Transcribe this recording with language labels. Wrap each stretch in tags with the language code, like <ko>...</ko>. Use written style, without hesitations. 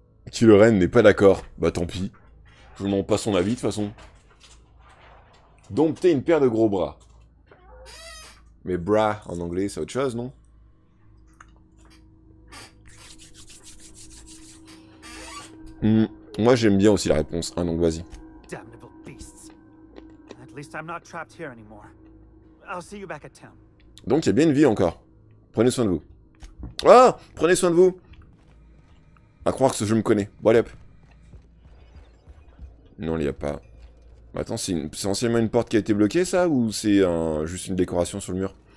<fr>Si le reine n'est pas d'accord, bah tant pis. Je ne demande pas son avis de toute façon. Dompter une paire de gros bras. Mais bras en anglais, c'est autre chose, non? Moi j'aime bien aussi la réponse, hein, donc vas-y.</fr> <en>Damnable beasts. At least I'm not trapped here anymore. I'll see you back at town.</en> <fr>Donc il y a bien une vie encore. Prenez soin de vous. Ah! Prenez soin de vous! À croire que ce jeu me connaît. Bon, allez, hop. Non, il n'y a pas. Attends, c'est anciennement une porte qui a été bloquée, ça? Ou c'est juste une décoration sur le mur?</fr>